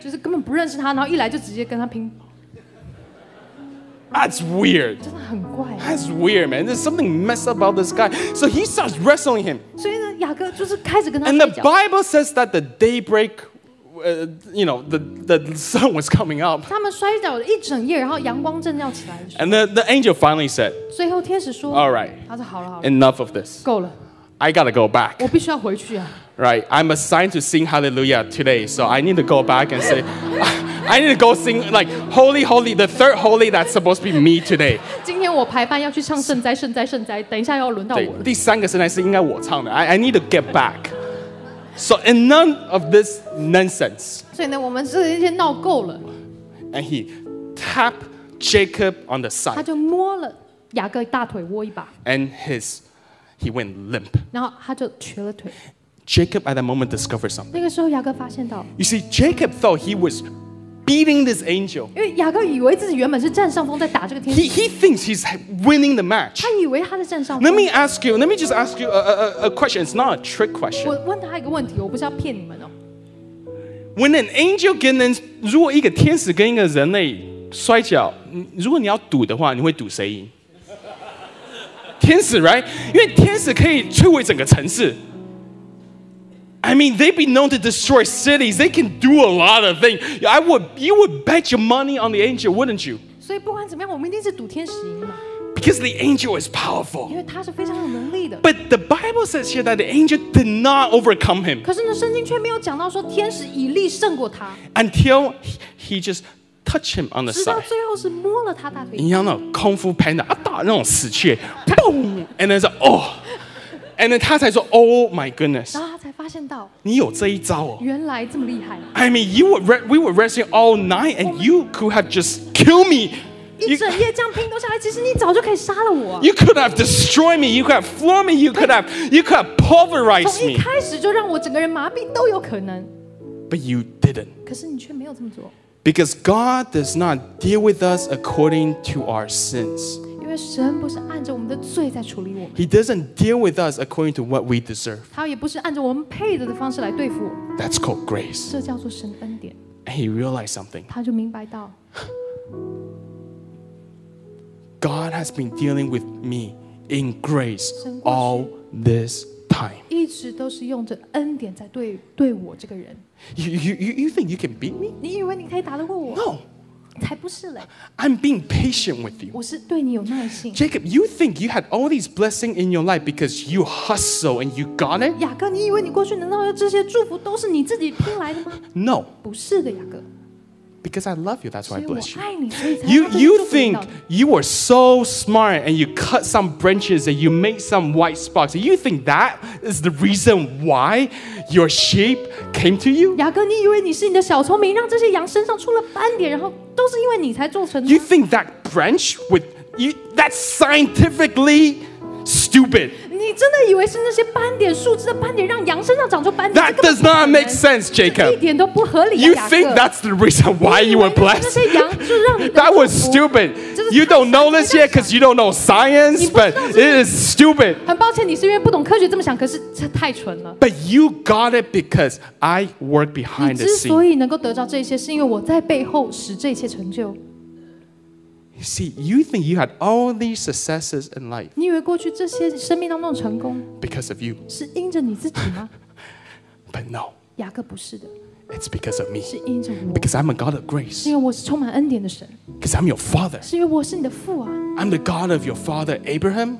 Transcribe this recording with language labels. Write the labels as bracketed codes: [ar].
[zh] 就是根本不认识他，然后一来就直接跟他拼。 [en] That's weird. [zh] 真的很怪。 [en] That's weird, man. There's something messed up about this guy. So he starts wrestling him. [zh] 所以呢，雅各就是开始跟他。 [en] And the Bible says that the daybreak, you know, the sun was coming up. [zh] 他们摔倒了一整夜，然后阳光正要起来。 [en] And the angel finally said. [zh] 最后天使说。 [en] All right. [zh] 他说好了。 [en] Enough of this. [zh] 够了。 [en] I gotta go back. [zh] 我必须要回去啊。 [en] Right. I'm assigned to sing Hallelujah today, so I need to go back and say. I need to go sing like holy, holy, the third holy that's supposed to be me today. [zh] 今天我排班要去唱圣哉圣哉圣哉，等一下要轮到我了。第三个圣哉是应该我唱的。 [en] I need to get back. So and none of this nonsense. [zh] 所以呢，我们这些闹够了。 [en] And he tapped Jacob on the side. [zh] 他就摸了雅各大腿窝一把。 [en] And he went limp. [zh] 然后他就瘸了腿。 [en] Jacob at that moment discovered something. [zh] 那个时候雅各发现到。 [en] You see, Jacob thought he was. Beating this angel. [zh] 因为雅各以为自己原本是占上风，在打这个天使。 [en] He thinks he's winning the match. [zh] 他以为他在占上风。 [en] Let me ask you. Let me just ask you a question. It's not a trick question. [zh] 我问他一个问题，我不是要骗你们哦。 [en] When an angel gets in, [zh] 如果一个天使跟一个人类摔跤，如果你要赌的话，你会赌谁赢？天使 ， [en] right? [zh] 因为天使可以摧毁整个城市。 [en] I mean, they'd be known to destroy cities. They can do a lot of things. You would bet your money on the angel, wouldn't you? [zh] 所以不管怎么样，我们一定是赌天使赢嘛。 [en] Because the angel is powerful. [zh] 因为他是非常有能力的。 [en] But the Bible says here that the angel did not overcome him. [zh] 可是呢，圣经却没有讲到说天使以力胜过他。 [en] Until he just touched him on the side. [zh] 直到最后是摸了他大腿。你像那种功夫 panda 啊，打那种死穴 ，boom， [en] and then say, oh. And then [zh] 他才说 [en] ，Oh my goodness！ [zh] 然后他才发现到，你有这一招哦，原来这么厉害。 [en] I mean, we were wrestling all night, and you could have just killed me. [zh] 一整夜这样拼斗下来，其实你早就可以杀了我。 [en] You could have destroyed me. You could have flown me. You could have pulverized me. [zh] 从一开始就让我整个人麻痹都有可能。 [en] But you didn't. [zh] 可是你却没有这么做。 [en] Because God does not deal with us according to our sins. [zh] 神不是按着我们的罪在处理我们。 [en] He doesn't deal with us according to what we deserve. [zh] 他也不是按着我们配的方式来对付我。 [en] That's called grace. [zh] 这叫做神的恩典。 [en] And he realized something. [zh] 他就明白到。 [en] God has been dealing with me in grace all this time. [zh] 一直都是用着恩典在对我这个人。 [en] You think you can beat me? [zh] 你以为你可以打得过我 [en] ？No. [zh] 才不是嘞 [en] I'm being patient with you. [zh] 我是对你有耐心 [en] Jacob, you think you had all these blessings in your life because you hustle and you got it? [zh] 雅各，你以为你过去难道这些祝福都是你自己拼来的吗 [en] No. [zh] 不是的，雅各 [en] Because I love you, that's why I bless you. [zh] 所以我爱你，所以才让你祝福到你。 [en] You think you were so smart and you cut some branches and you made some white sparks. You think that is the reason why your sheep came to you? [zh] 雅各，你以为你是你的小聪明，让这些羊身上出了斑点，然后都是因为你才做成的。 [en] You think that branch with you, that scientifically stupid. [zh] 你真的以为是那些斑点树枝的斑点让羊身上长出斑点？ [en] That does not make sense, Jacob. [zh] 一点都不合理。 [en] You think that's the reason why you were blessed? [zh] 那些羊就让你 [en] That was stupid. You don't know this yet because you don't know science, but it is stupid. [zh] 很抱歉，你是因为不懂科学这么想，可是这太蠢了。 [en] But you got it because I work behind the scene. [zh] 你之所以能够得到这些，是因为我在背后使这一切成就。 [en] See, you think you had all these successes in life. [zh] 你以为过去这些生命当中的成功 [en] ？Because of you. [zh] 是因着你自己吗 [en] ？But no. [zh] 雅各不是的。 [en] It's because of me. [zh] 是因着我。 [en] Because I'm a God of grace. [zh] 因为我是充满恩典的神。 [en] Because I'm your father. [zh] 是因为我是你的父啊。 [en] I'm the God of your father Abraham.